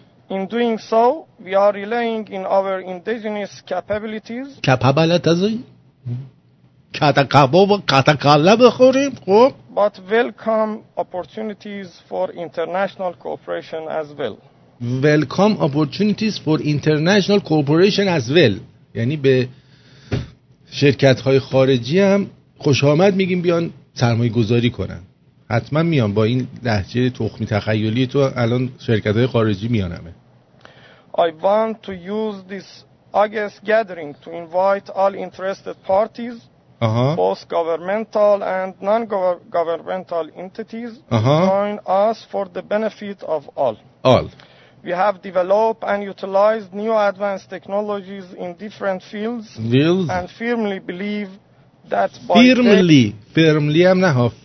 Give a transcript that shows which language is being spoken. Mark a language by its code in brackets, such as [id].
[en] In doing so, we are relying in our indigenous capabilities. But welcome opportunities for international cooperation as well. Welcome opportunities for international cooperation as well. [fa] یعنی به شرکت‌های خارجی هم خوش آمد میگیم بیان سرمایه گذاری کنن. حتما میان با این لهجه تخمی تخیلی تو الان شرکت‌های خارجی میانمه. [en] I want to use this August gathering to invite all interested parties, both governmental and non-governmental entities, join us for the benefit of all. We have developed and utilized new advanced technologies in different fields and firmly believe that